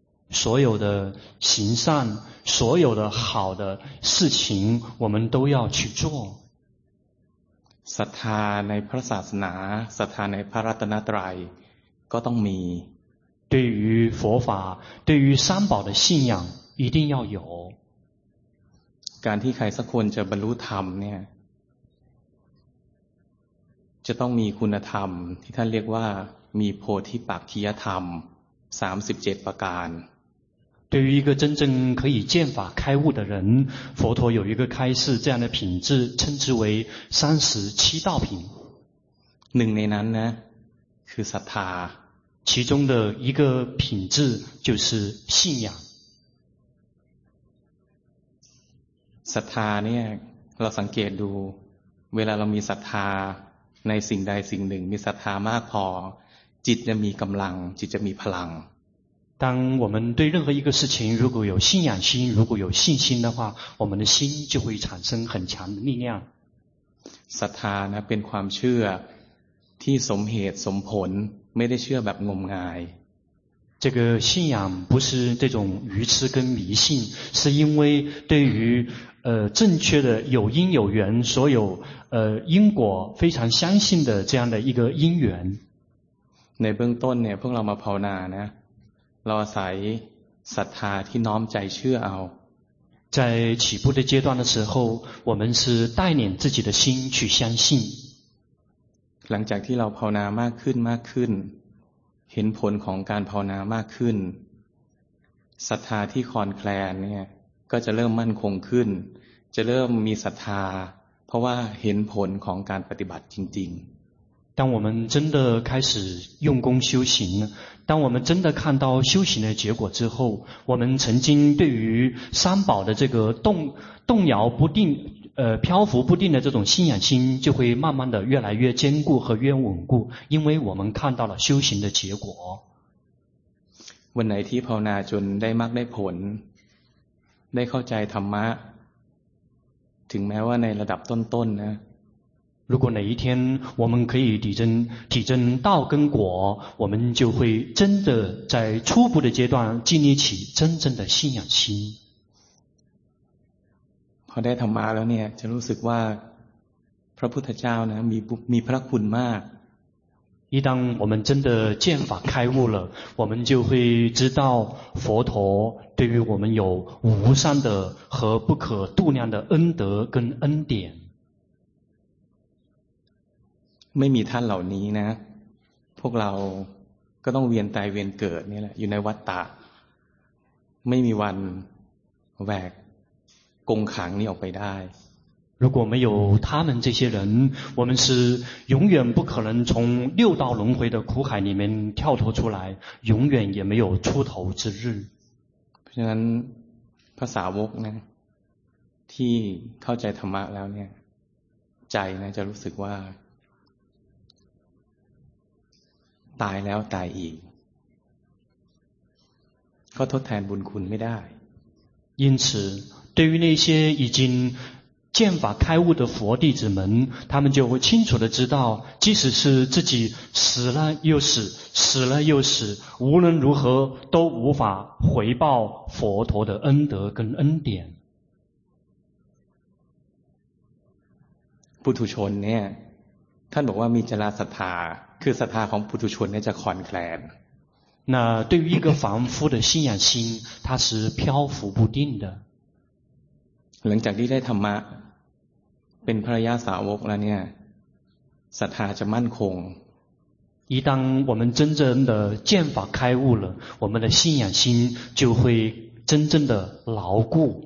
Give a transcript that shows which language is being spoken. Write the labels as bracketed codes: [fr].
[zh] 所有的行善所有的好的事情我们都要去做 [th] ศรัทธาในพระศาสนาศรัทธาในพระรัตนตรัยก็ต้องมี [zh] 对于佛法对于三宝的信仰一定要有 [th] การที่ใครสักคนจะบรรลุธรรมเนี่ยจะต้องมีคุณธรรมที่ท่านเรียกว่ามีโพธิปักขิยธรรม37ประการ [zh] 对于一个真正可以见法开悟的人佛陀有一个开示这样的品质称之为37道品 [th] หนึ่งในนั้นนะคือศรัทธา [zh] 其中的一个品质就是信仰 [th] ศรัทธาเนี่ยเราสังเกตดูเวลาเรามีศรัทธาในสิ่งใดสิ่งหนึ่งมีศรัทธามากพอจิตจะมีกำลังจิตจะมีพลัง [zh] 当我们对任何一个事情如果有信仰心如果有信心的话我们的心就会产生很强的力量 [th] ศรัทธานะเป็นความเชื่อที่สมเหตุสมผลไม่ได้เชื่อแบบงมงาย [zh] 这个信仰不是这种愚痴跟迷信是因为对于正确的有因有缘所有因果非常相信的这样的一个因缘 [th] ในเบื้องต้นเนี่ยพวกเรามาภาวนานะเราอาศัยศรัทธาที่น้อมใจเชื่อเอา [zh] 在起步的阶段的时候我们是带领自己的心去相信 [th] หลังจากที่เราภาวนามากขึ้นมากขึ้นเห็นผลของการภาวนามากขึ้นศรัทธาที่คลอนแคลนเนี่ยก็จะเริ่มมั่นคงขึ้นจะเริ่มมีศรัทธาเพราะว่าเห็นผลของการปฏิบัติจริงๆ [zh] 当我们真的开始用功修行当我们真的看到修行的结果之后我们曾经对于三宝的这个 动摇不定漂浮不定的这种信仰心就会慢慢的越来越坚固和越稳固因为我们看到了修行的结果 [th] วันไหนที่ภาวนาจนได้มรรคได้ผลได้เข้าใจธรรมะถึงแม้ว่าในระดับต้นๆนะ [zh] 如果哪一天我们可以体证道跟果我们就会真的在初步的阶段建立起真正的信仰心 [th] พอได้ธรรมะแล้วเนี่ยจะรู้สึกว่าพระพุทธเจ้านะมีพระคุณมาก [zh] 一旦我们真的见法开悟了我们就会知道佛陀对于我们有无上的和不可度量的恩德跟恩典 [th] ไม่มีท่านเหล่านี้นะพวกเราก็ต้องเวียนตายเวียนเกิดนี่แหละอยู่ในวัฏฏะไม่มีวันแหวกกงขังนี่ออกไปได้ [zh] 如果没有他们这些人我们是永远不可能从六道轮回的苦海里面跳脱出来永远也没有出头之日 [th] เพราะฉะนั้นพระสาวกนะที่เข้าใจธรรมะแล้วเนี่ยใจนะจะรู้สึกว่าตายแล้วตายอีกก็ทดแทนบุญคุณไม่ได้ [zh] 因此对于那些已经见法开悟的佛弟子们他们就会清楚地知道即使是自己死了又死死了又死无论如何都无法回报佛陀的恩德跟恩典 [th] ปุถุชนเนี่ยท่านบอกว่ามีจราศรัทธาคือศรัทธาของปุถุชนเนี่ยจะคลอนแคลน [zh] 那对于一个凡夫的信仰心它是漂浮不定的 [th] หลังจากที่ได้ธรรมะเป็นพระอริยสาวกแล้วเนี่ยศรัทธาจะมั่นคง [zh] 一旦我们真正的见法开悟了我们的信仰心就会真正的牢固